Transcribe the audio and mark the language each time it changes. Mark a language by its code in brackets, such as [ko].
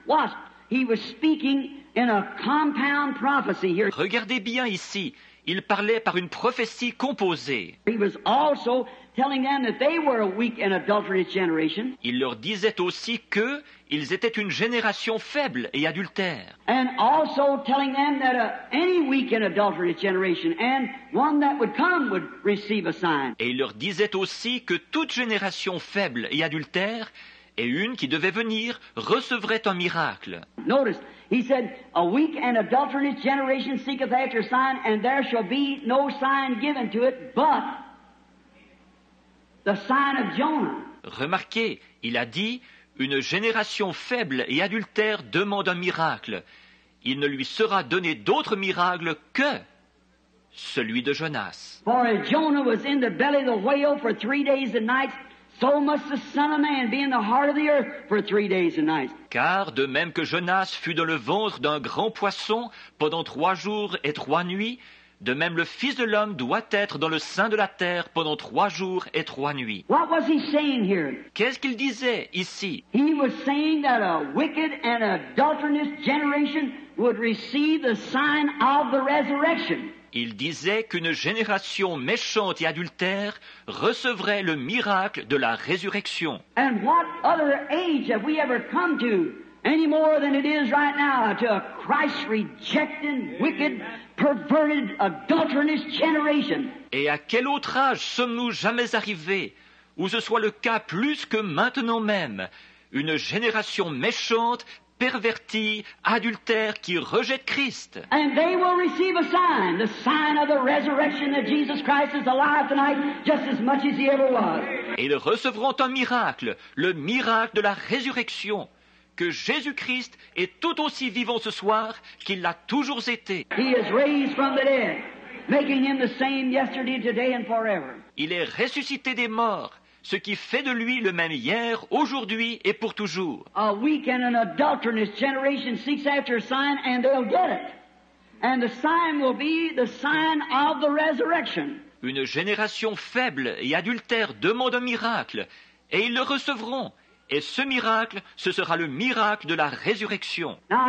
[en] What? He was speaking in a compound prophecy here. [fr] Regardez bien ici, il parlait par une prophétie composée. [en] He was also telling them that they were a weak and adulterous generation. [fr] Il leur disait aussi qu'ils étaient une génération faible et adultère. [en] And also telling them that any weak and adulterous generation and one that would come would receive a sign. [fr] Et il leur disait aussi que toute génération faible et adultère et une qui devait venir recevrait un miracle. [en] Notice, he said, a weak and adulterous generation seeketh after sign, and there shall be no sign given to it, but the sign of Jonah. [fr] Remarquez, il a dit, une génération faible et adultère demande un miracle. Il ne lui sera donné d'autre miracle que celui de Jonas. [en] For as Jonah was in the belly of the whale for 3 days and nights, so must the Son of Man be in the heart of the earth for 3 days and nights. [fr] Car de même que Jonas fut dans le ventre d'un grand poisson pendant 3 jours et 3 nuits, de même le Fils de l'homme doit être dans le sein de la terre pendant 3 jours et 3 nuits. [en] What was he saying here? [fr] Qu'est-ce qu'il disait ici? [en] He was saying that a wicked and adulterous generation would receive the sign of the resurrection. [fr] Il disait qu'une génération méchante et adultère recevrait le miracle de la résurrection. [en] And what other age have we ever come to, any more than it is right now, to a Christ-rejecting, wicked, perverted, adulterous generation? [fr] Et à quel autre âge sommes-nous jamais arrivés, où ce soit le cas plus que maintenant même, une génération méchante, perverti, adultère, qui rejette Christ. [en] And they will receive a sign, the sign of the resurrection that Jesus Christ is alive tonight, just as much as he ever was. [fr] Et ils recevront un miracle, le miracle de la résurrection, que Jésus-Christ est tout aussi vivant ce soir qu'il l'a toujours été. [en] He is raised from the dead, making him the same yesterday, today and forever. [fr] Il est ressuscité des morts, ce qui fait de lui le même hier, aujourd'hui et pour toujours. [en] A weak and an adulterous generation seeks after a sign and they'll get it. And the sign will be the sign of the resurrection. [fr] Une génération faible et adultère demande un miracle, et ils le recevront. Et ce miracle, ce sera le miracle de la résurrection.